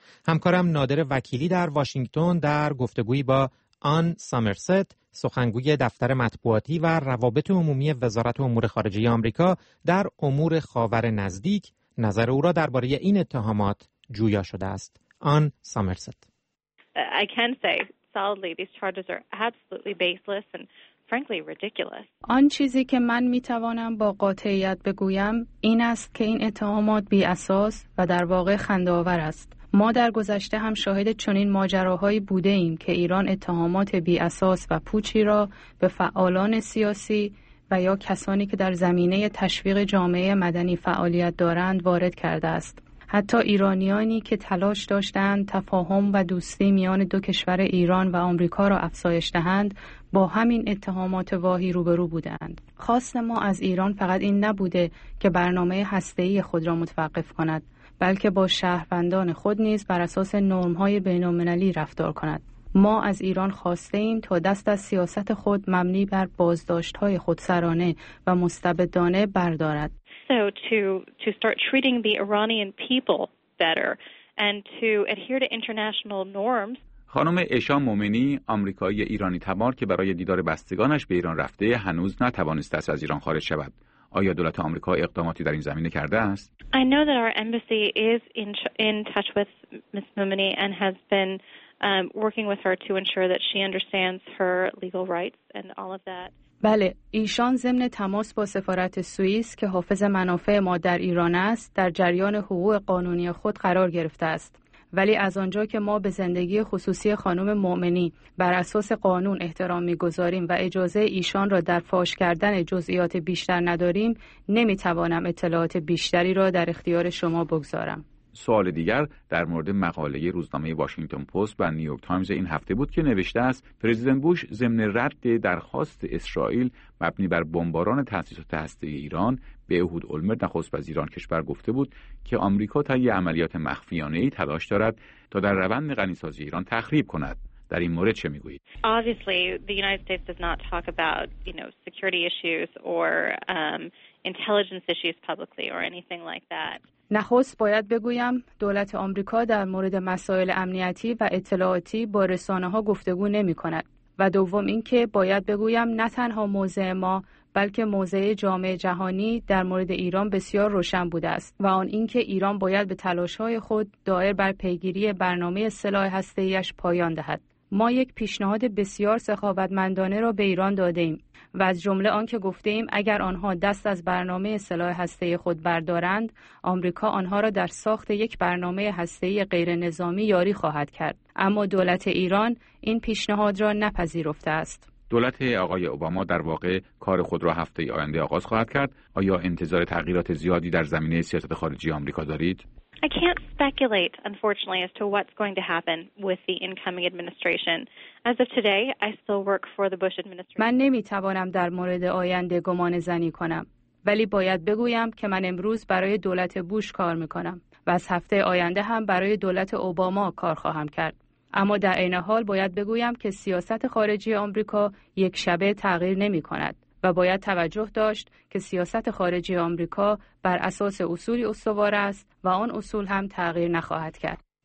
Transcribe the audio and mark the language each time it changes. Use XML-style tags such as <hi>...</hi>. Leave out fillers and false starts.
<fa>همکارم نادر وکیلی در واشنگتن در گفتگویی با آن سامرست، سخنگوی دفتر مطبوعاتی و روابط عمومی وزارت امور خارجه آمریکا در امور خاور نزدیک، نظر او را درباره این اتهامات جویا شده است. آن سامرست:</fa> <en>I can say solidly these charges are absolutely baseless and frankly ridiculous.</en> <fa>آن چیزی که من میتوانم با قاطعیت بگویم این است که این اتهامات بی اساس و در واقع خنده‌آور است. ما در گذشته هم شاهد چنین ماجراهایی بوده ایم که ایران اتهامات بی اساس و پوچی را به فعالان سیاسی و یا کسانی که در زمینه تشویق جامعه مدنی فعالیت دارند وارد کرده است. حتی ایرانیانی که تلاش داشتند تفاهم و دوستی میان دو کشور ایران و آمریکا را افزایش دهند، با همین اتهامات واهی روبرو بودند. خواست ما از ایران فقط این نبوده که برنامه هسته‌ای خود را متوقف کند، بلکه با شهروندان خود نیز بر اساس نرم‌های بین‌المللی رفتار کند. ما از ایران خواسته ایم تا دست از سیاست خود مبنی بر بازداشت‌های خودسرانه و مستبدانه بردارد.</fa> <en>So to start treating the Iranian people better and to adhere to international norms.</en> <fa>خانم اشا مومنی، آمریکایی ایرانی تبار که برای دیدار بستگانش به ایران رفته، هنوز نتوانسته است از ایران خارج شود. آیا دولت آمریکا اقداماتی در این زمینه کرده است؟</fa> <en>I know that our embassy is in touch with Ms. Momeni and has been working with her to ensure that she understands her legal rights and all of that.</en> <fa>بله، ایشان ضمن تماس با سفارت سوئیس که حافظ منافع ما در ایران است، در جریان حقوق قانونی خود قرار گرفته است. ولی از آنجا که ما به زندگی خصوصی خانم مؤمنی بر اساس قانون احترام می‌گذاریم و اجازه ایشان را در فاش کردن جزئیات بیشتر نداریم، نمی‌توانم اطلاعات بیشتری را در اختیار شما بگذارم. سوال دیگر در مورد مقاله روزنامه واشنگتن پست و نیویورک تایمز این هفته بود که نوشته است پرزیدنت بوش ضمن رد درخواست اسرائیل مبنی بر بمباران تاسیسات هسته‌ای ایران به اهود اولمرت نخست وزیر آن کشور گفته بود که آمریکا تا یه عملیات مخفیانه‌ای تلاش دارد تا در روند غنی‌سازی ایران تخریب کند. در این مورد چه میگویید؟</fa> <en>Obviously the United States does not talk about, you know, security issues or intelligence issues publicly or anything like that.</en> <fa>نخست باید بگویم دولت آمریکا در مورد مسائل امنیتی و اطلاعاتی با رسانه‌ها گفتگو نمی‌کند. و دوم اینکه باید بگویم نه تنها موضع ما بلکه موضع جامعه جهانی در مورد ایران بسیار روشن بوده است و آن اینکه ایران باید به تلاش‌های خود دایر بر پیگیری برنامه سلاح هسته‌ای‌اش پایان دهد. ما یک پیشنهاد بسیار سخاوتمندانه را به ایران داده‌ایم و از جمله آن که گفته‌ایم اگر آنها دست از برنامه سلاح هسته‌ای خود بردارند، آمریکا آنها را در ساخت یک برنامه هسته‌ای غیر نظامی یاری خواهد کرد. اما دولت ایران این پیشنهاد را نپذیرفته است. دولت آقای اوباما در واقع کار خود را هفته آینده آغاز خواهد کرد. آیا انتظار تغییرات زیادی در زمینه سیاست خارجی آمریکا دارید؟</fa> <en>I can't speculate, unfortunately, as to what's going to happen with the incoming administration. As of today, I still work for the Bush administration.</en> <fa>من نمی‌توانم در مورد آینده گمانه‌زنی کنم، ولی باید بگویم که من امروز برای دولت بوش کار می‌کنم و از هفته آینده هم برای دولت اوباما کار خواهم کرد. اما در عین حال باید بگویم که سیاست خارجی آمریکا یک شبه تغییر نمی‌کند و باید توجه داشت که سیاست خارجی آمریکا بر اساس اصولی استوار است و آن اصول هم تغییر نخواهد کرد.</fa>